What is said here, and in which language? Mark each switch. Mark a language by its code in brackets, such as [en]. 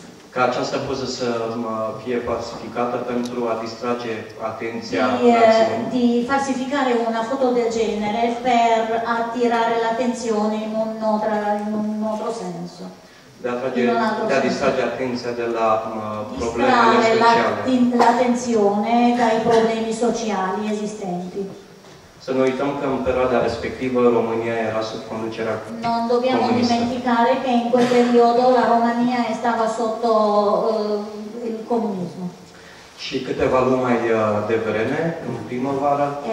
[ro] ca această poză să fie falsificată pentru a distrage atenția [it] di falsificare una foto del genere per attirare l'attenzione in un altro senso. [ro] De a distrage atenția de la problemele sociale. [it] L'attenzione dai problemi sociali esistenti. [ro] Să nu uităm că în perioada respectivă România era sub conducerea comunistă. [it] Non dobbiamo dimenticare che in quel periodo la Romania stava sotto il comunismo. [ro] Și câteva luni mai devreme, în primăvară,